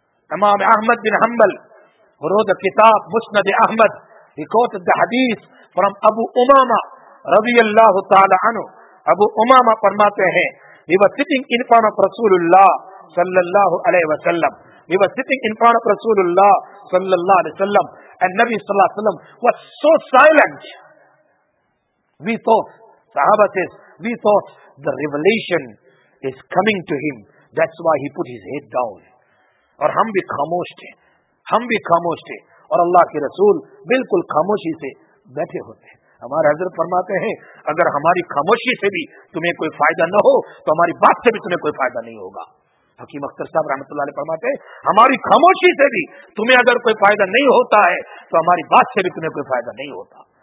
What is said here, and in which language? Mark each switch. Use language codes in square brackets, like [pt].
[en] امام Ahmad bin Hanbal wrote the کتاب Musnad Ahmad. He quoted the حدیث from Abu Umamah رضی اللہ تعالیٰ عنہ. [ur] ابو امامہ فرماتے ہیں, [en] we were sitting in front of رسول اللہ صلی اللہ علیہ وسلم. We were sitting in front of رسول اللہ صلی اللہ علیہ وسلم, and Nabi صلی اللہ علیہ وسلم was so silent. We thought, Sahaba says, we thought the revelation is coming to him, that's why he put his head down. [ur] اور ہم بھی خاموش تھے, ہم بھی خاموش تھے, اور اللہ کے رسول بالکل خاموشی سے بیٹھے ہوتے. ہمارے حضرت فرماتے ہیں, اگر ہماری خاموشی سے بھی تمہیں کوئی فائدہ نہ ہو تو ہماری بات سے بھی تمہیں کوئی فائدہ نہیں ہوگا. حکیم اختر صاحب رحمۃ اللہ علیہ فرماتے ہیں, ہماری خاموشی سے بھی تمہیں اگر کوئی فائدہ نہیں ہوتا ہے تو ہماری بات سے بھی تمہیں کوئی فائدہ نہیں ہوتا.